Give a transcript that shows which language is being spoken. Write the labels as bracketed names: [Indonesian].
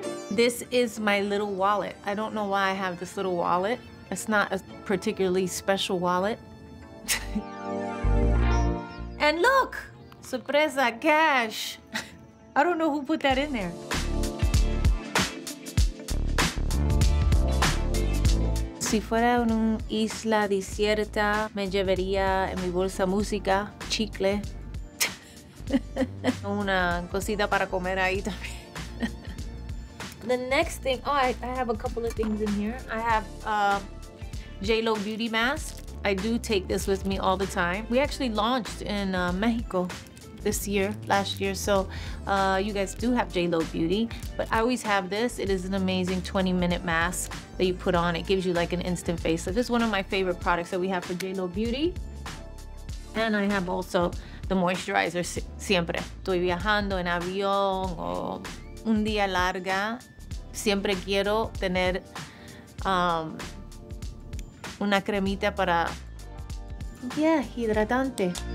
[English] This is my little wallet. I don't know why I have this little wallet. It's not a particularly special wallet. And look! Sorpresa, cash! I don't know who put that in there. [Spanish] Si fuera en una isla desierta, me llevaría en mi bolsa música, chicle. Una cosita para comer ahí también. [English] The next thing, oh, I have a couple of things in here. I have, J.Lo beauty mask. I do take this with me all the time. We actually launched in Mexico this year, last year. So you guys do have J.Lo beauty, but I always have this. It is an amazing 20-minute mask that you put on. It gives you like an instant face. So this is one of my favorite products that we have for J.Lo beauty. And I have also the moisturizer, siempre. [Spanish] Estoy viajando en avión o un día larga. Siempre quiero tener una cremita para, yeah, hidratante.